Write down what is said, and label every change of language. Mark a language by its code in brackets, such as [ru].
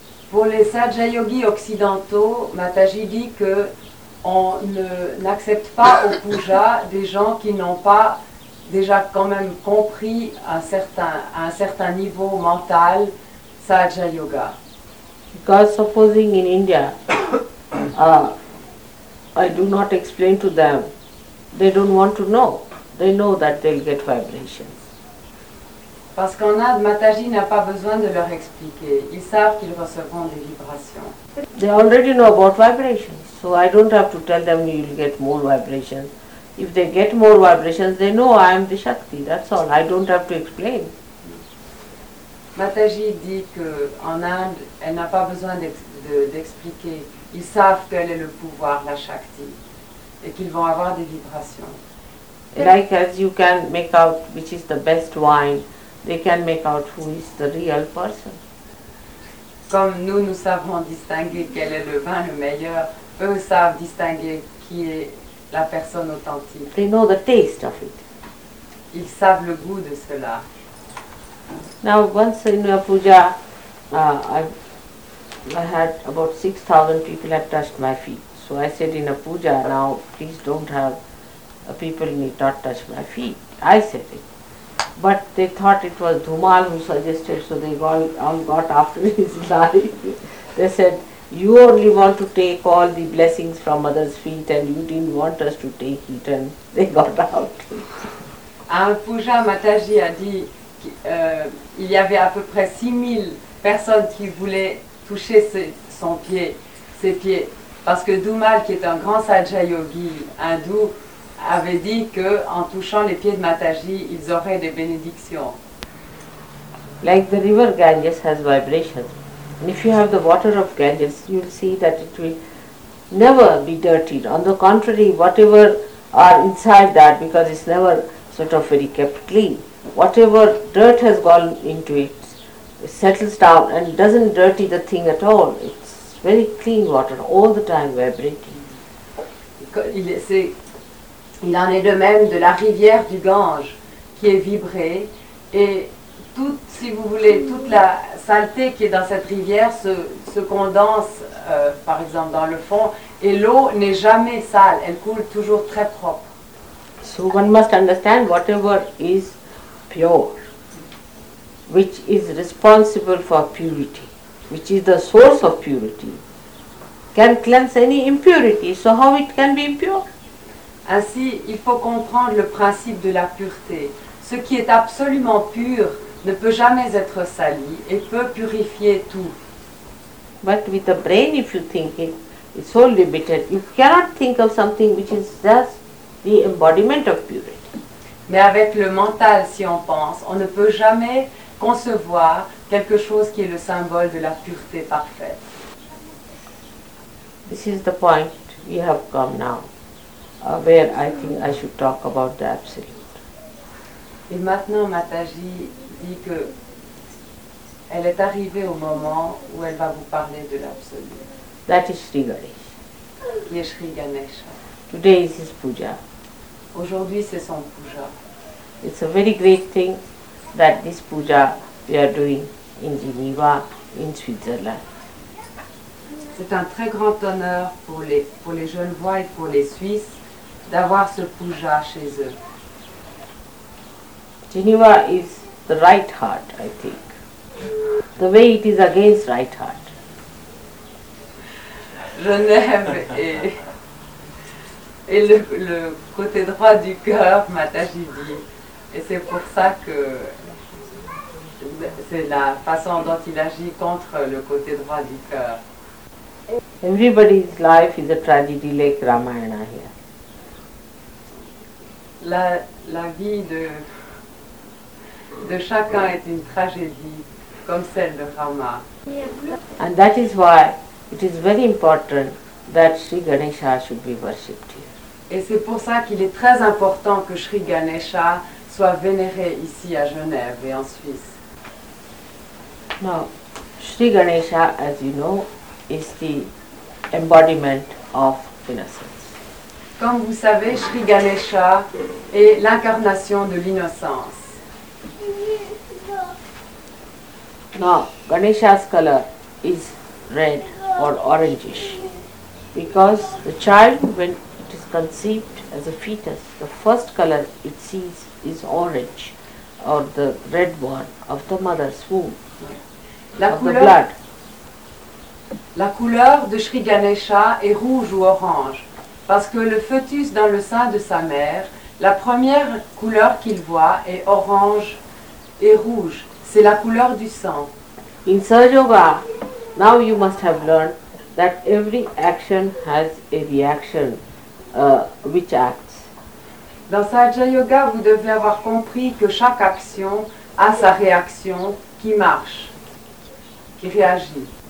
[fr] Pour les Sahaja Yogis occidentaux, Mataji dit que on n'accepte pas au puja des gens qui n'ont pas déjà quand même compris à un certain niveau mental Sahaja Yoga. [en] Because supposing in India, I do not explain to them, they don't want to know. They know that they'll get vibrations. [fr] Parce qu'en Inde, Mataji n'a pas besoin de leur expliquer. Ils savent qu'ils recevront des vibrations. [en] They already know about vibrations. So I don't have to tell them you'll get more vibrations. If they get more vibrations, they know I am the Shakti. That's all. I don't have to explain. [fr] Mataji dit qu'en Inde, elle n'a pas besoin d'expliquer. Ils savent quel est le pouvoir, la Shakti, et qu'ils vont avoir des vibrations. [en] Like as you can make out which is the best wine, they can make out who is the real person. [fr] Comme nous, nous savons distinguer quel est le vin le meilleur, eux savent distinguer qui est la personne authentique. [en] They know the taste of it. [fr] Ils savent le goût de cela. [en] Now, once in a puja, I had about 6,000 people had touched my feet. So I said in a puja, now please don't have people need not touch my feet. I said it. But they thought it was Dhumal who suggested, so they all got after his life. They said, you only want to take all the blessings from others' feet and you didn't want us to take it, and they got out. [fr] Un puja, Mataji a dit qu'il y avait à peu près 6,000 personnes qui voulaient toucher ses pieds. Parce que Dhumal, qui est un grand sadhya yogi hindou, avait dit qu'en touchant les pieds de Mataji, ils auraient des bénédictions. [en] Like the river Ganges has vibrations. And if you have the water of Ganges, you'll see that it will never be dirtied. On the contrary, whatever are inside that, because it's never sort of very kept clean, whatever dirt has gone into it, it settles down and doesn't dirty the thing at all. It's very clean water, all the time vibrating. [fr] Il en est de même de la rivière du Gange qui est vibrée et toute, si vous voulez, toute la saleté qui est dans cette rivière se condense, par exemple, dans le fond et l'eau n'est jamais sale, elle coule toujours très propre. [en] So one must understand whatever is pure, which is responsible for purity, which is the source of purity, can cleanse any impurity. So how it can be impure? [fr] Ainsi, il faut comprendre le principe de la pureté. Ce qui est absolument pur ne peut jamais être sali et peut purifier tout. [en] But with the brain, if you think it, it's so limited. You cannot think of something which is just the embodiment of purity. [fr] Mais avec le mental, si on pense, on ne peut jamais concevoir quelque chose qui est le symbole de la pureté parfaite. [en] This is the point we have come now. Where I think I should talk about the Absolute. [fr] Et maintenant, Mataji dit que elle est arrivée au moment où elle va vous parler de l'Absolu. [en] That is Shri Ganesha. [fr] Qui est Shri Ganesha. [en] Today is his puja. [fr] Aujourd'hui, c'est son puja. [en] It's a very great thing that this puja we are doing in Geneva, in Switzerland. [fr] C'est un très grand honneur pour les jeunes voix et pour les Suisses d'avoir ce puja chez eux. [en] Geneva is the right heart, I think. The way it is against right heart. [fr] Genève est le côté droit du cœur, Mataji dit. Et c'est pour ça que c'est la façon dont il agit contre le côté droit du cœur. [en] Everybody's life is a tragedy like Ramayana here. [fr] La vie de chacun est une tragédie comme celle de Rama. [en] And that is why it is very important that Shri Ganesha should be worshipped here. [fr] Et c'est pour ça qu'il est très important que Shri Ganesha soit vénéré ici à Genève et en Suisse. [en] Now, Shri Ganesha, as you know, is the embodiment of innocence. [fr] Comme vous savez, Shri Ganesha est l'incarnation de l'innocence. [en] Now, Ganesha's color is red or orangish, because the child, when it is conceived as a fetus, the first color it sees is orange, or the red one of the mother's womb, of the blood. [fr] La couleur de Shri Ganesha est rouge ou orange, parce que le fœtus dans le sein de sa mère, la première couleur qu'il voit est orange et rouge. C'est la couleur du sang. [en] In Sahaja Yoga, now you must have learned that every action has a reaction, which acts. [fr] Dans Sahaja Yoga, vous devez avoir compris que chaque action a sa réaction qui marche, qui réagit.